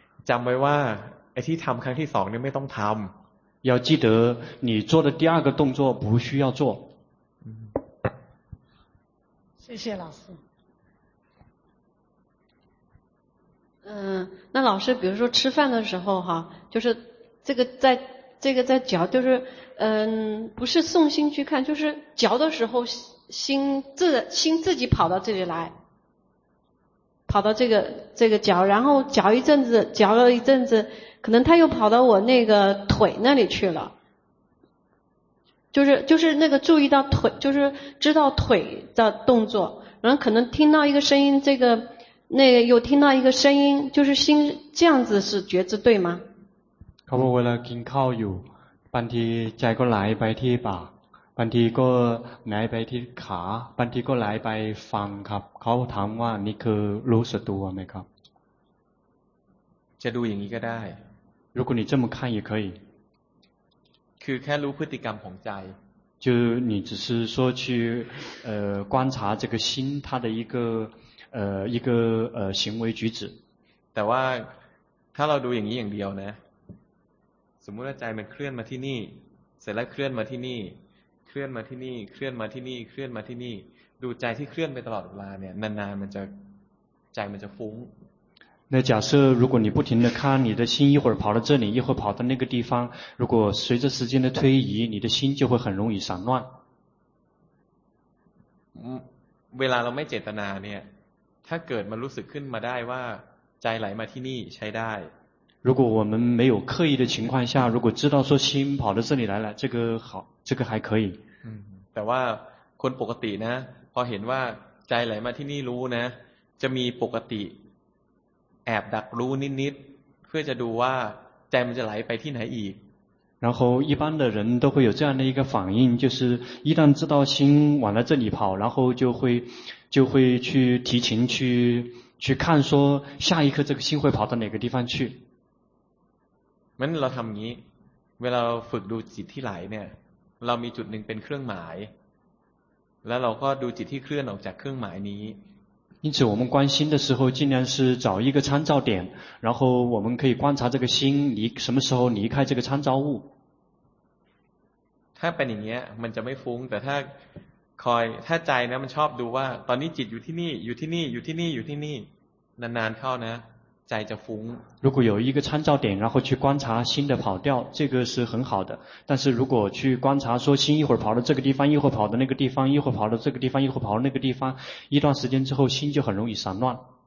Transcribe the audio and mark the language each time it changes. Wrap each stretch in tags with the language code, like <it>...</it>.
<th>จำไว้ว่าไอ้ที่ทำครั้งที่สองนี่ไม่ต้องทำ</th> <zh>要记得你做的第二个动作不需要做谢谢老师那老师比如说吃饭的时候哈就是这个在嚼就是不是送心去看就是嚼的时候心自己跑到这里来跑到这个嚼然后嚼一阵子嚼了一阵子可能他又跑到我那个腿那里去了就是那个注意到腿就是知道腿的动作然后可能听到一个声音这个那个又听到一个声音就是心这样子是觉知对吗</zh> <th>เขาบอกว่ากินข้าวอยู่บางทีใจก็ไหลไปที่ปากบางทีก็ไหลไปที่ขาบางทีก็ไหลไปฟังครับเขาถามว่านี่คือรู้สึกตัวไหมครับ จะดูอย่างนี้ก็ได้</th> <zh>如果你这么看也可以</zh> <th>คือแค่รู้พฤติกรรมของใจ</th> <zh>就你只是说去观察这个心它的一个行为举止</zh> <th>แต่ว่าถ้าเราดูอย่างนี้อย่างเดียวนะสมมุติว่าใจมันเคลื่อนมาที่นี่เสร็จแล้วเคลื่อนมาที่นี่เคลื่อนมาที่นี่เคลื่อนมาที่นี่เคลื่อนมาที่นี่ดูใจที่เคลื่อนไปตลอดเวลาเนี่ยนานๆมันจะฟุ้ง</th> <zh>那假设如果你不停的看你的心一会儿跑到这里一会儿跑到那个地方如果随着时间的推移你的心就会很容易散乱</zh> <th>เวลาเราไม่เจตนาเนี่ยถ้าเกิดมันรู้สึกขึ้นมาได้ว่าใจไหลมาที่นี่ใช้ได้</th> <zh>如果我们没有刻意的情况下如果知道说心跑到这里来了这个好这个还可以</zh> <th>แต่ว่าคนปกตินะพอเห็นว่าใจไหลมาที่นี่รู้นะจะมีปกติแอบดักรู้นิดๆเพื่อจะดูว่าใจมันจะไหลไปที่ไหนอีก</th> <zh>然后一般的人都会有这样的一个反应就是一旦知道心往了这里跑然后就会去提前去看说下一刻这个心会跑到哪个地方去</zh> <th>มันเราทำอย่างนี้เวลาฝึกดูจิตที่ไหลเนี่ยเรามีจุดหนึ่งเป็นเครื่องหมายแล้วเราก็ดูจิตที่เคลื่อนออกจากเครื่องหมายนี้</th> <zh>因此我们关心的时候尽量是找一个参照点然后我们可以观察这个心离什么时候离开这个参照物</zh> <th>ถ้าเป็นอย่างนี้มันจะไม่ฟุ้งแต่ถ้าคอยถ้าใจนะมันชอบดูว่าตอนนี้จิตอยู่ที่นี่อยู่ที่นี่อยู่ที่นี่อยู่ที่นี่นานๆเข้านะใจจะฟุ้ง</th> <zh>如果有一个参照点然后去观察心的跑掉这个是很好的但是如果去观察说心一会儿跑到这个地方一会儿跑到那个地方一会儿跑到这个地方一会儿跑到那个地方一段时间之后心就很容易散乱</zh>